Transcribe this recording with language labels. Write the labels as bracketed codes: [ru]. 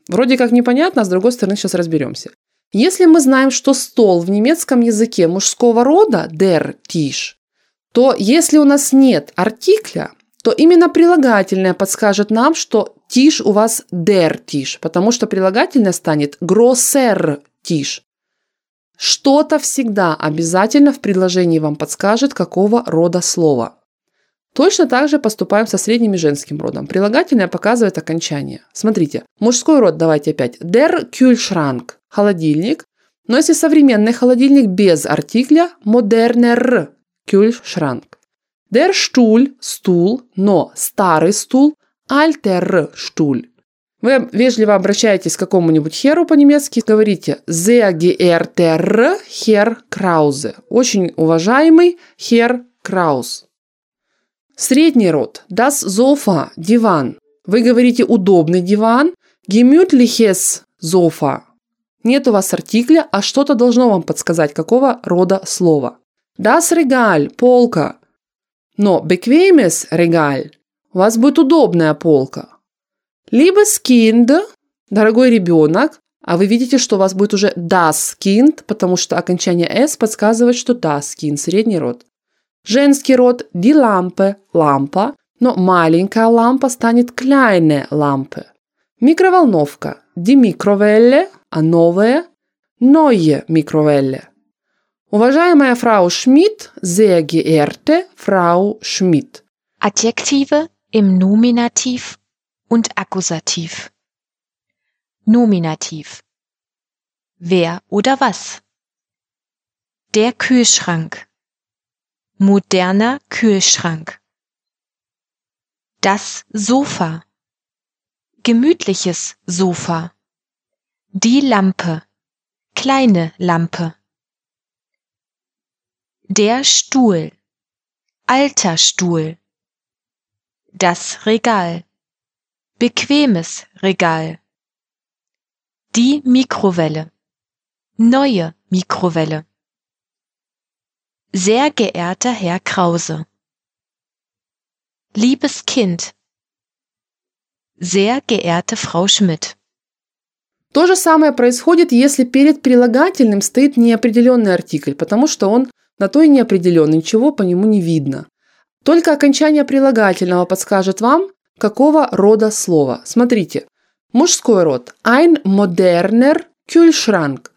[ru] Вроде как непонятно, а с другой стороны сейчас разберемся. Если мы знаем, что стол в немецком языке мужского рода der Tisch, то если у нас нет артикля, то именно прилагательное подскажет нам, что Tisch у вас der Tisch, потому что прилагательное станет grosser Tisch. Что-то всегда обязательно в предложении вам подскажет, какого рода слово. Точно так же поступаем со средним и женским родом. Прилагательное показывает окончание. Смотрите, мужской род, давайте опять. [de] Der Kühlschrank – холодильник. [ru] Но если современный холодильник без артикля – moderner Kühlschrank. Der Stuhl – стул, но старый стул – alter Stuhl. Вы вежливо обращаетесь к какому-нибудь херу по-немецки, говорите «Sehr geehrter Herr Krause» – очень уважаемый Herr Krause. Средний род. [de] Das Sofa – диван. [ru] Вы говорите «удобный диван». [de] Gemütliches Sofa. [ru] Нет у вас артикля, а что-то должно вам подсказать, какого рода слово. [de] Das Regal – полка. [ru] Но bequemes Regal – у вас будет удобная полка. [de] Liebes Kind – дорогой ребенок. [ru] А вы видите, что у вас будет уже das Kind, потому что окончание S подсказывает, что das Kind – средний род. Женский род – die Lampe, лампа, но маленькая лампа станет kleine Lampe. Микроволновка – die Mikrowelle, а новая – neue Mikrowelle. Уважаемая фрау Шмидт, sehr geehrte фрау Шмидт. [de] Adjektive im Nominativ und Akkusativ. Nominativ. Wer oder was? Der Kühlschrank. Moderner Kühlschrank. Das Sofa. Gemütliches Sofa. Die Lampe. Kleine Lampe. Der Stuhl. Alter Stuhl. Das Regal. Bequemes Regal. Die Mikrowelle. Neue Mikrowelle. Sehr geehrter Herr Krause. Liebes Kind. Sehr geehrte Frau Schmidt. [ru] То же самое происходит, если перед прилагательным стоит неопределенный артикль, потому что он на то и неопределенный, ничего по нему не видно. Только окончание прилагательного подскажет вам, какого рода слово. Смотрите, мужской род. Ein moderner Kühlschrank.